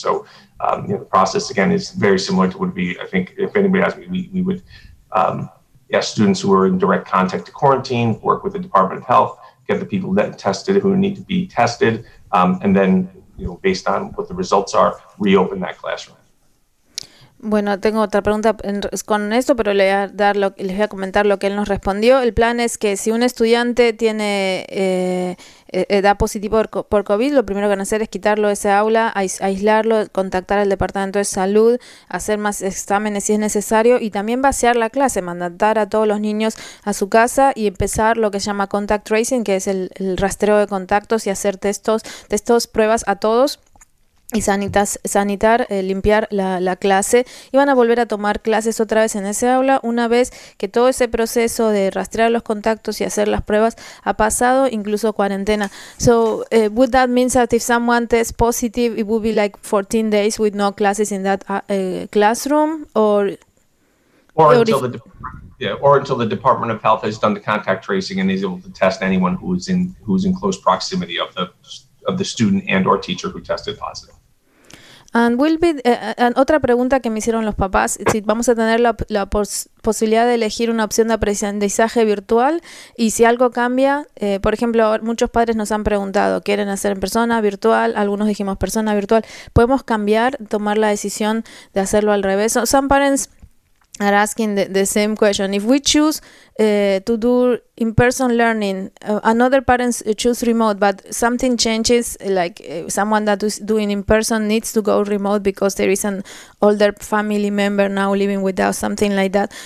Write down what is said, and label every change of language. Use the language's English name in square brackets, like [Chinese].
[English] So you know, the process again is very similar to what we, I think if anybody asked me, we would ask students who are in direct contact to quarantine, work with the Department of Health, get the people that tested who need to be tested, and then, you know, based on what the results are, reopen that classroom. [Spanish] Bueno, tengo otra pregunta con esto, pero les voy a comentar lo que él nos respondió. El plan es que si un estudiante da positivo por COVID, lo primero que van a hacer es quitarlo de ese aula, aislarlo, contactar al Departamento de Salud, hacer más exámenes si es necesario, y también vaciar la clase, mandar a todos los niños a su casa y empezar lo que se llama contact tracing, que es el rastreo de contactos, y hacer testos, pruebas a todos. Y limpiar la clase. Y van a volver a tomar clases otra vez en ese aula. Una vez que todo ese proceso de rastrear los contactos y hacer las pruebas ha pasado, incluso cuarentena. [English] So, would that mean that if someone tests positive, it would be like 14 days with no classes in that classroom? Or until the Department of Health has done the contact tracing and is able to test anyone who is in close proximity of the student and or teacher who tested positive. And will be and [Spanish] otra pregunta que me hicieron los papás, si vamos a tener la posibilidad de elegir una opción de aprendizaje virtual y si algo cambia, por ejemplo, muchos padres nos han preguntado, ¿quieren hacer en persona, virtual? Algunos dijimos persona, virtual. ¿Podemos cambiar, tomar la decisión de hacerlo al revés? [English] So, some parents are asking the same question. If we choose to do in-person learning, another parents choose remote, but something changes, like someone that is doing in-person needs to go remote because there is an older family member now living with us, something like that.